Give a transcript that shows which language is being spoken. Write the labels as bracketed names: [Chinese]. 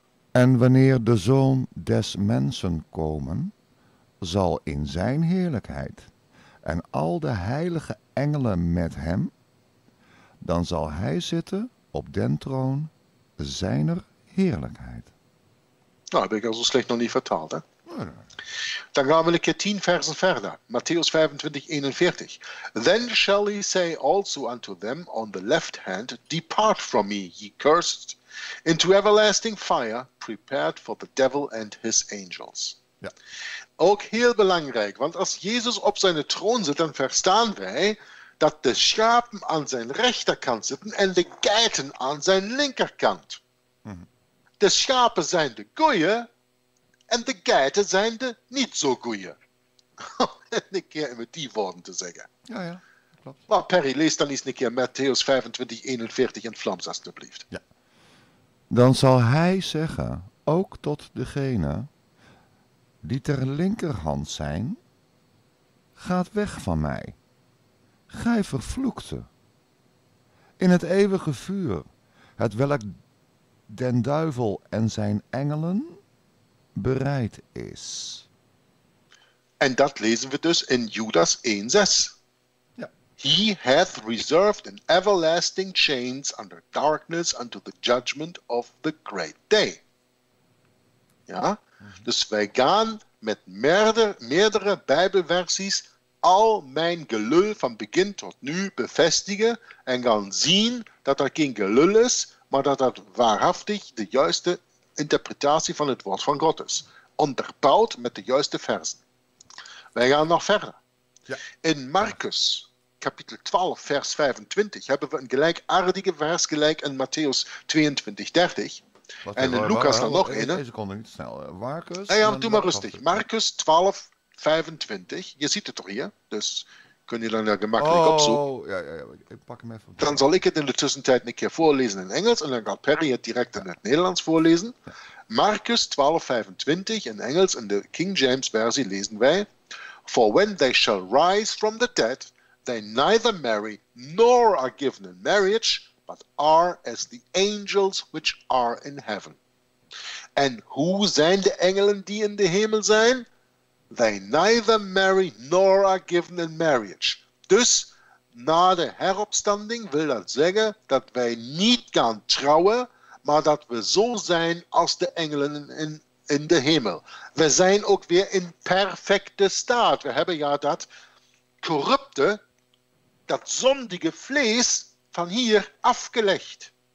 [Dutch] En wanneer de zoon des mensen komen, zal in zijn heerlijkheid en al de heilige engelen met hem, dan zal hij zitten op den troon zijner heerlijkheid. Nou, heb ik al zo slecht nog niet vertaald, hè? Dan gaan we een keer 10 versen verder. Matthäus 25, 41. [English] Then shall he say also unto them on the left hand, depart from me, ye cursed, into everlasting fire, prepared for the devil and his angels. [Dutch] Ja. Ook heel belangrijk, want als Jezus op zijn troon zit, dan verstaan wij dat de schapen aan zijn rechterkant zitten en de geiten aan zijn linkerkant. Mm-hmm. De schapen zijn de goeie, en de geiten zijn de niet zo goeie. Om een keer met die woorden te zeggen. Ja, ja. Klopt. Maar Perry, lees dan eens een keer Matthäus 25, 41 in Vlaams, alstublieft. Ja. Dan zal hij zeggen, ook tot degene die ter linkerhand zijn, gaat weg van mij. Gij vervloekte. In het eeuwige vuur, het welk den duivel en zijn engelen bereid is. En dat lezen we dus in Judas 1:6. Ja. [English] He hath reserved an everlasting chains under darkness unto the judgment of the great day. [Dutch] Ja? Mm-hmm. Dus wij gaan met meerdere Bijbelversies al mijn gelul van begin tot nu bevestigen en gaan zien dat er geen gelul is, maar dat dat waarachtig de juiste interpretatie van het woord van God is. Onderbouwd met de juiste versen. Wij gaan nog verder. Ja. In Marcus kapitel 12 vers 25 hebben we een gelijkaardige vers gelijk in Matthäus 22, 30. Wat en in Lucas dan nog een. Deze konden niet snel. Marcus. Ja, ja, doe maar rustig. Marcus 12, 25. Je ziet het toch hier? Dus kun je dan daar gemakkelijk opzoeken. Oh, ja. Ik pak hem even. Dan zal ik het in de tussentijd een keer voorlezen in Engels. En dan gaat Perry het direct in het Nederlands voorlezen. Ja. Marcus 12, 25 in Engels. In de King James versie lezen wij. [English] For when they shall rise from the dead, they neither marry nor are given in marriage, but are as the angels which are in heaven. [Dutch] En hoe zijn de engelen die in de hemel zijn? [English] They neither marry nor are given in marriage. [Dutch] Dus, na de heropstanding wil dat zeggen dat wij niet gaan trouwen, maar dat we zo zijn als de engelen in de hemel. We zijn ook weer in perfecte staat. We hebben ja dat corrupte, dat zondige vlees van hier afgelegd.